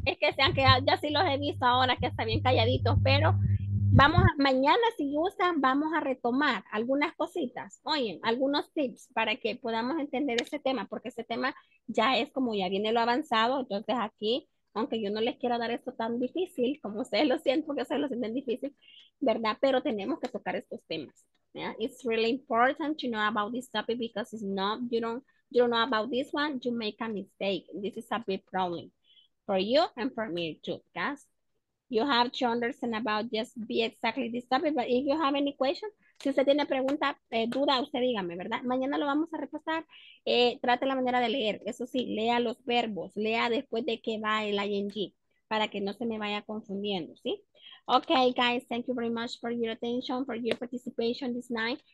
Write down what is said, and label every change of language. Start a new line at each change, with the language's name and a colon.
Spanish: Es que se han quedado, ya sí los he visto ahora que están bien calladitos, pero vamos, mañana si gustan, vamos a retomar algunas cositas. Oye, algunos tips para que podamos entender ese tema, porque ese tema ya es como ya viene lo avanzado, entonces aquí, aunque yo no les quiero dar esto tan difícil, como ustedes lo sienten, porque ustedes lo sienten difícil, ¿verdad? Pero tenemos que tocar estos temas, ¿verdad?
English: It's really important to know about this topic because it's not, you don't know about this one, you make a mistake. This is a big problem for you and for me too, guys. You have to understand about just be exactly this topic, but if you have any question,
Spanish: si usted tiene pregunta, duda, usted dígame, ¿verdad? Mañana lo vamos a repasar. Trate la manera de leer. Eso sí, lea los verbos. Lea después de que va el ING para que no se me vaya confundiendo, ¿sí?
English: Okay, guys, thank you very much for your attention, for your participation this night.